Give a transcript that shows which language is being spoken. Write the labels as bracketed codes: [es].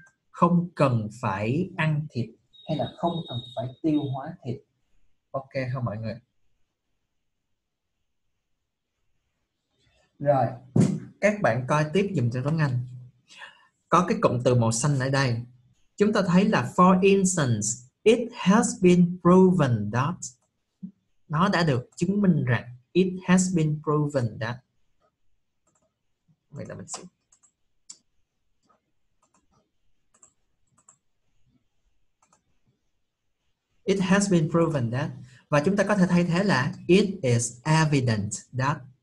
[vi] Không cần phải ăn thịt hay là không cần phải tiêu hóa thịt. Ok không mọi người? Rồi, các bạn coi tiếp dùm cho Tuấn Anh. Có cái cụm từ màu xanh ở đây. Chúng ta thấy là [en] for instance, it has been proven that. [vi] Nó đã được chứng minh rằng [en] it has been proven that. [vi] Vậy là mình sẽ [en] It has been proven that. [vi] Và chúng ta có thể thay thế là [en] it is evident that.